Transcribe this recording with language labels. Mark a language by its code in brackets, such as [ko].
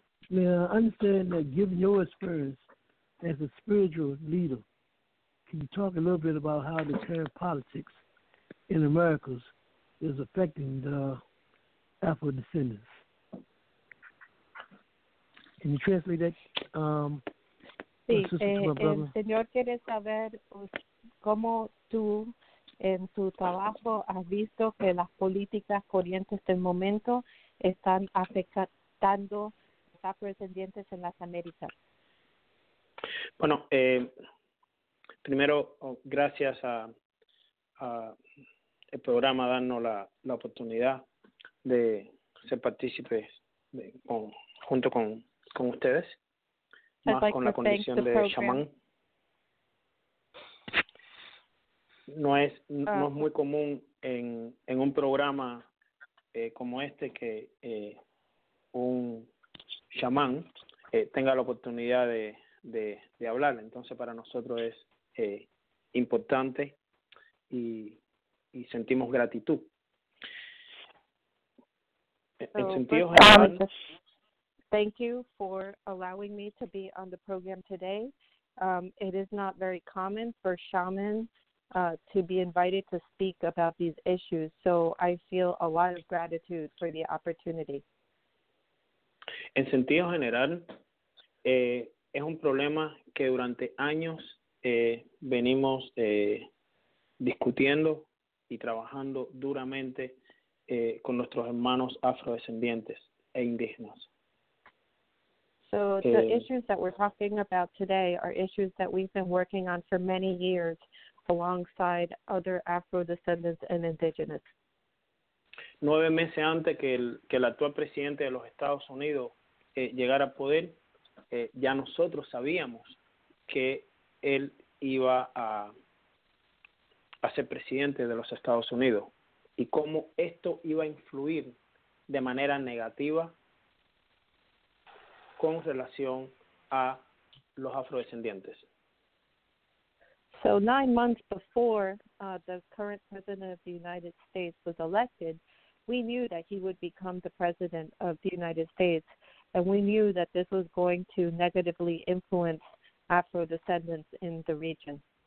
[en] Now, I understand that given your experience as a spiritual leader, can you talk a little bit about how the current politics in Americas is affecting the Afro-descendants? Can you translate that? [es] Sí, señor quiere saber cómo tú en tu trabajo has visto que las políticas corrientes del momento están afectando los afrodescendientes en las Américas. Bueno, primero, gracias a el programa darnos la oportunidad de ser partícipes junto con ustedes. más like con la condición de chamán. No es muy común en un programa como este que un chamán tenga la oportunidad de hablar. Entonces, para nosotros es importante y sentimos gratitud. En sentido general, [en] thank you for allowing me to be on the program today. It is not very common for shamans to be invited to speak about these issues, so I feel a lot of gratitude for the opportunity. [es] En sentido general, es un problema que durante años venimos discutiendo y trabajando duramente con nuestros hermanos afrodescendientes e indígenas. [en] So the issues that we're talking about today are issues that we've been working on for many years alongside other Afro-descendants and indigenous. [es] 9 meses antes que el actual presidente de los Estados Unidos llegara al poder, ya nosotros sabíamos que él iba a ser presidente de los Estados Unidos y cómo esto iba a influir de manera negativa con relación a los afrodescendientes. [en] So 9 months before the current president of the United States was elected, we knew that he would become the president of the United States, and we knew that this was going to negatively influence Afro-descendants in the region.